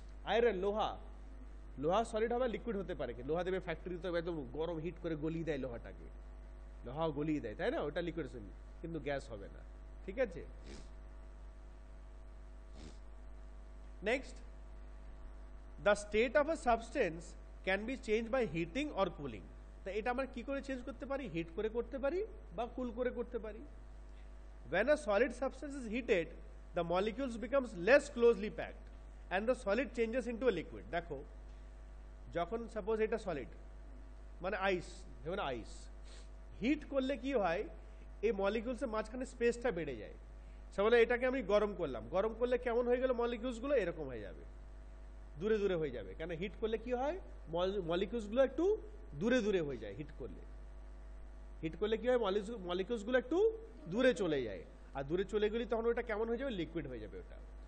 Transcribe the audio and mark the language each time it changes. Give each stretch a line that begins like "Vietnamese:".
Bangla: Iron, লোহা, লোহা solid হবে, লিকুইড হতে পারে কি, লোহা দেবে ফ্যাক্টরি তো একদম গরম হিট করে গলিয়ে দেয় লোহাটাকে, লোহাও গলিয়ে দেয়, তাই না, ওটা লিকুইড শুনি, কিন্তু গ্যাস হবে না, ঠিক আছে।
English: next, the state of a substance can be change by heating or cooling,
Bangla: তা এটা আমরা কি করে চেঞ্জ করতে পারি, হিট করে করতে পারি বা কুল করে করতে পারি।
English: When a solid substance is heated, the molecules becomes less closely packed and the solid changes into a liquid.
Bangla: দেখো যখন সাপোজ এটা সলিড, মানে আইস, ধরুন আইস, হিট করলে কি হয়, এই মলিকিউলসের মাঝখানে স্পেসটা বেড়ে যায়। সেমন এটাকে আমি গরম করলাম, গরম করলে কেমন হয়ে গেল মলিকিউলসগুলো, এরকম হয়ে যাবে, দূরে দূরে হয়ে যাবে, কেন হিট করলে কি হয়, মলিকিউলসগুলো একটু দূরে দূরে হয়ে যায়, হিট করলে, হিট করলে কি হয়, মলিকিউলসগুলো একটু দূরে চলে যায়, আর দূরে চলে গেলে তখন ওটা কেমন হয়ে যাবে, লিকুইড হয়ে যাবে ওটা।